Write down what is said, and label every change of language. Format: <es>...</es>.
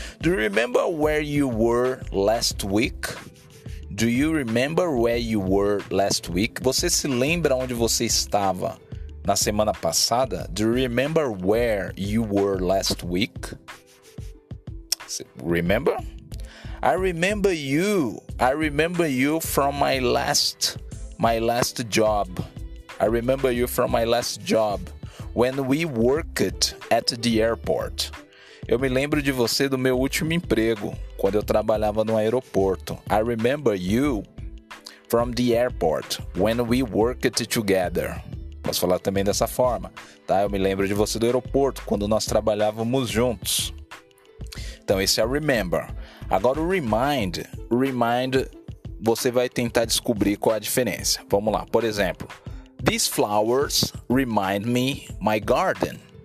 <en>Do you remember where you were last week? Do you remember where you were last week?</en> <pt>Você se lembra onde você estava na semana passada?</pt> <en>Do you remember where you were last week? Remember? I remember you from my last job. I remember you from my last job when we worked at the airport.</en> <pt>Eu me lembro de você do meu último emprego, quando eu trabalhava no aeroporto.</pt> <en>I remember you from the airport when we worked together.</en> <pt>Posso falar também dessa forma, tá? Eu me lembro de você do aeroporto quando nós trabalhávamos juntos. Então, esse é o remember. Agora, o remind. Remind, você vai tentar descobrir qual a diferença. Vamos lá. Por exemplo,</pt> <en>these flowers remind me my garden.</en>